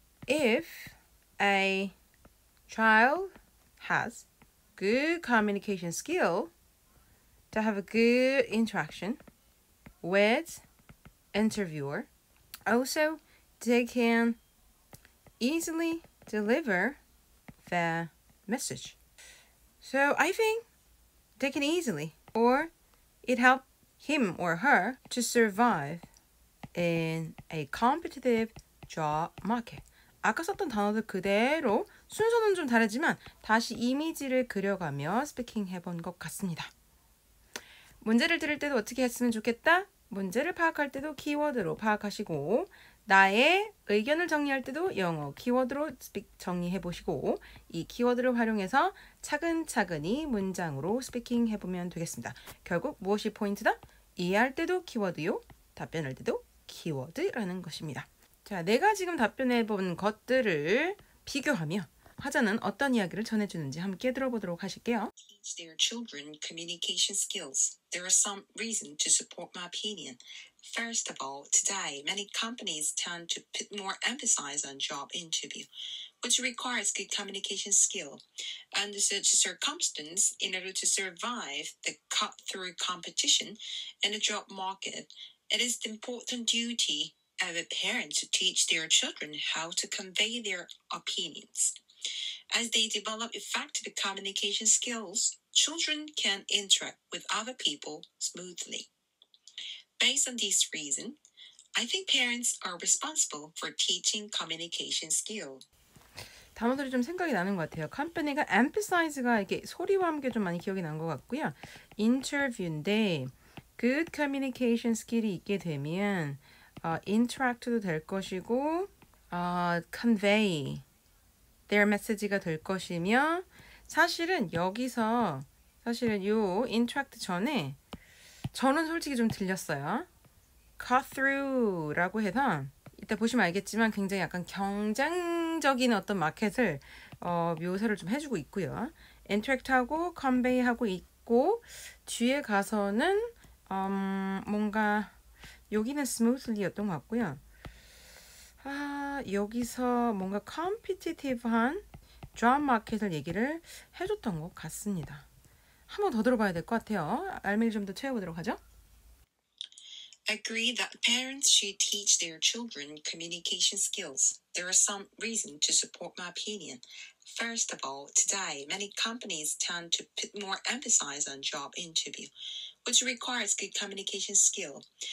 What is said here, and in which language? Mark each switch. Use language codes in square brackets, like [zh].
[en] If a child has good communication skill to have a good interaction with interviewer, also they can easily deliver their message. So I think they can easily, or it helps him or her to survive in a competitive job market. [ko] 아까 썼던 단어들 그대로 순서는 좀 다르지만 다시 이미지를 그려가며 스피킹 해본 것 같습니다. 문제를 들을 때도 어떻게 했으면 좋겠다? 문제를 파악할 때도 키워드로 파악하시고 나의 의견을 정리할 때도 영어 키워드로 스픽 정리해보시고 이 키워드를 활용해서 차근차근히 문장으로 스피킹 해보면 되겠습니다. 결국 무엇이 포인트다? 이해할 때도 키워드요, 답변할 때도 키워드라는 것입니다. 자, 내가 지금 답변해본 것들을 비교하며 화자는 어떤 이야기를 전해주는지 함께 들어보도록 하실게요. [en] Teach their children communication skills. There are some reasons to support my opinion. First of all, today, many companies tend to put more emphasis on job interview, which requires good communication skill. Under such circumstances, in order to survive the cutthroat competition in a job market, it is the important duty of a parent to teach their children how to convey their opinions. As they develop effective communication skills, children can interact with other people smoothly. Based on this reason, I think parents are responsible for teaching communication skill. [ko] 단어들이 좀 생각이 나는 것 같아요. Company가 emphasize가 이게 소리와 함께 좀 많이 기억이 난 것 같고요. Interview인데 [en] good communication skill [ko] 이 있게 되면 interact도 될 것이고 [en] convey their message [ko] 가 될 것이며 사실은 여기서 사실은 요 interact 전에 저는 솔직히 좀 들렸어요. cut through라고 해서 이따 보시면 알겠지만 굉장히 약간 경쟁적인 어떤 마켓을 묘사를 좀 해주고 있고요. interact하고 convey하고 있고 뒤에 가서는 뭔가 여기는 smoothly였던 것 같고요. 아, 여기서 뭔가 competitive한 job market을 얘기를 해줬던 것 같습니다. 한 번 더 들어봐야 될 것 같아요. 알맹이 좀 더 채워보도록 하죠. [en] Agree that parents should teach their children communication skills. There are some reasons to support my opinion. First of all, today, many companies tend to put more emphasis on job interview, which requires good communication skill.